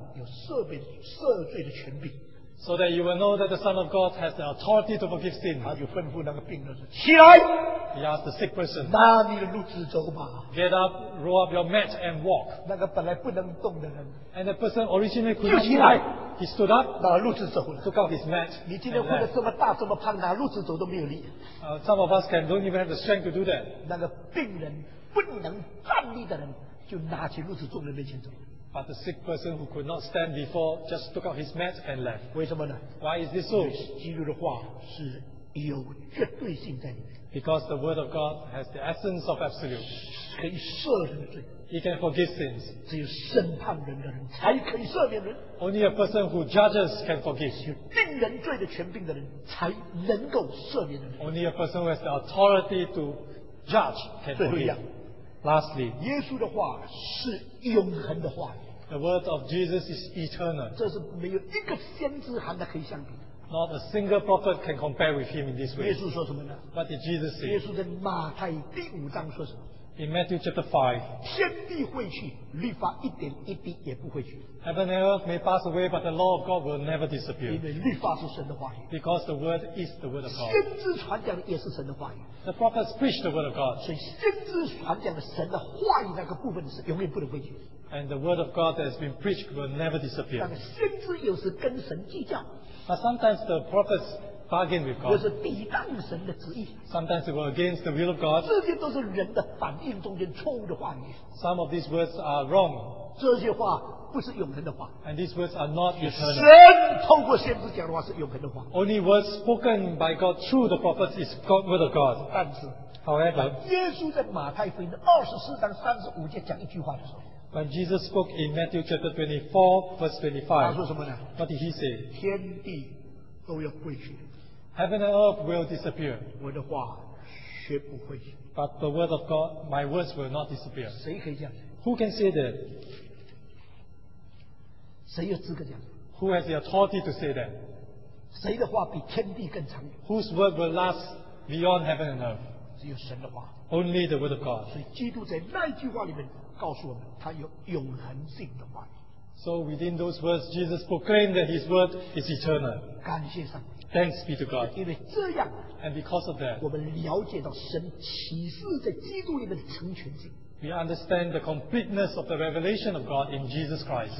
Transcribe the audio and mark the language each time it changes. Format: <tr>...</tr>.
<zh>人子在地上有赦罪的权柄。</zh> <en>So that you will know that the Son of God has the authority to forgive sin.</en> <zh>他就吩咐那个病人说起来。</zh> <en>He asked the sick person,</en> <zh>拿你的褥子走吧。</zh> <en>Get up, roll up your mat and walk.</en> <zh>那个本来不能动的人,</zh> <en>and the person originally could not move. He stood up,</en> <zh>拿褥子走了,</zh> <en>took out his mat.</en> <zh>你今天活得这么大这么胖, 拿褥子走都没有力。</zh> <en>Some of us can don't even have the strength to do that.</en> <zh>那个病人不能站立的人, 就拿起褥子走了面前走。</zh> <en>But the sick person who could not stand before just took out his mat and left.</en> <zh>为什么呢?</zh> <en>Why is this so?</en> <zh>因为基督的话是有绝对性在里面。</zh> <en>Because the word of God has the essence of absolute.</en> <zh>可以赦免罪。</zh> <en>He can forgive sins.</en> <zh>只有审判人的人才可以赦免人。</zh> <en>Only a person who judges can forgive.</en> <zh>只有定人罪的权柄的人才能够赦免人。</zh> <en>Only a person who has the authority to judge can forgive. Lastly,</en> <zh>耶稣的话是永恒的话语。</zh> <en>The word of Jesus is eternal.</en> <zh>这是没有一个先知喊的可以相比的。</zh> <en>Not a single prophet can compare with him in this way.</en> <zh>耶稣说什么呢?</zh> <en>What did Jesus say?</en> <zh>耶稣在马太第五章说什么?</zh> <en>In Matthew chapter 5,</en> <zh>天地会去, 律法一点一滴也不会去。</zh> <en>Heaven and earth may pass away, but the law of God will never disappear.</en> <zh>因为律法是神的话语。</zh> <en>Because the word is the word of God.</en> <zh>先知传讲的也是神的话语。</zh> <en>The prophets preach the word of God.</en> <zh>所以先知传讲的神的话语那个部分是永远不能被拒绝。</zh> <en>And the word of God that has been preached will never disappear.</en> <zh>但先知有时跟神计较。</zh> <en>But sometimes the prophets bargain with God.</en> <zh>有时抵挡神的旨意。</zh> <en>Sometimes they go against the will of God.</en> <zh>这些都是人的反应中间错误的话语。</zh> <en>Some of these words are wrong.</en> <zh>这些话 不是永恒的话,</zh> <en>and these words are not eternal.</en> <zh>神透过先知讲的话是永恒的话,</zh> <en>only words spoken by God through the prophets is God, word of God.</en> <zh>但是,</zh> <en>however,</en> <zh>耶稣在马太福音24章35节讲一句话的时候,</zh> <en>when Jesus spoke in Matthew chapter 24, verse 25,</en> <zh>他说什么呢?</zh> <en>What did he say?</en> <zh>天地都要归去,</zh> <en>heaven and earth will disappear.</en> <zh>我的话学不会去,</zh> <en>but the word of God, my words will not disappear.</en> <zh>谁可以这样?</zh> <en>Who can say that?</en> <zh>谁有资格讲?</zh> <en>Who has the authority to say that?</en> <zh>谁的话比天地更长远?</zh> <en>Whose word will last beyond heaven and earth?</en> <zh>只有神的话。</zh> <en>Only the word of God.</en> <zh>所以基督在那句话里面告诉我们，他有永恒性的话语。</zh> <en>So within those words, Jesus proclaimed that His word is eternal.</en> <zh>感谢上帝。</zh> <en>Thanks be to God.</en> <zh>因为这样,</zh> <en>and because of that,</en> <zh>我们了解到神启示在基督里面的成全性。</zh> <en>We understand the completeness of the revelation of God in Jesus Christ.</en>